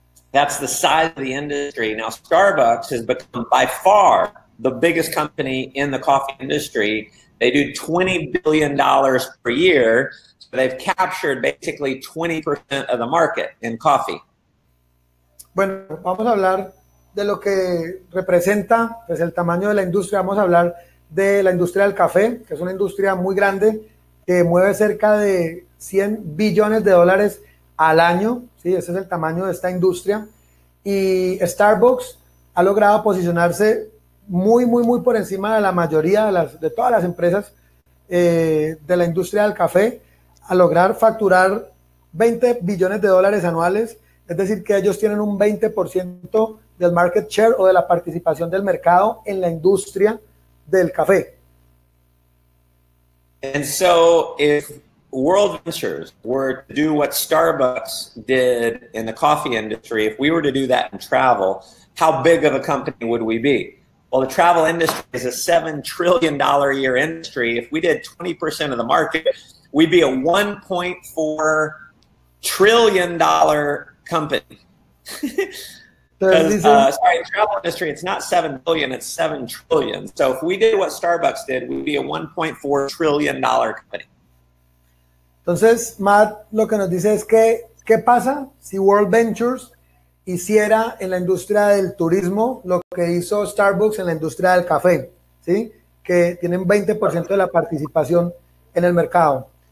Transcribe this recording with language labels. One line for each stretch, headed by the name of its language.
English: That's the size of the industry. Now, Starbucks has become by far the biggest company in the coffee industry. They do $20 billion per year. So they've captured basically 20% of the market in coffee.
Spanish: Bueno, vamos a hablar de lo que representa, pues el tamaño de la industria. Vamos a hablar de la industria del café, que es una industria muy grande, que mueve cerca de 100 billones de dólares al año, ¿sí? Ese es el tamaño de esta industria. Y Starbucks ha logrado posicionarse muy, muy, muy por encima de la mayoría de todas las empresas de la industria del café, a lograr facturar 20 billones de dólares anuales. Es decir, que ellos tienen un 20% del market share o de la participación del mercado en la industria del café.
English: And so if World Ventures were to do what Starbucks did in the coffee industry, if we were to do that in travel, how big of a company would we be? Well, the travel industry is a $7 trillion a year industry. If we did 20% of the market, we'd be a $1.4 trillion company. sorry, travel industry, it's not 7 billion, it's 7 trillion. So if we did what Starbucks did, we'd be a $1.4 trillion company.
Spanish: Entonces, Matt, lo que nos dice es que, ¿qué pasa si World Ventures hiciera en la industria del turismo lo que hizo Starbucks en la industria del café? ¿Sí? Que tienen 20% de la participación en el mercado.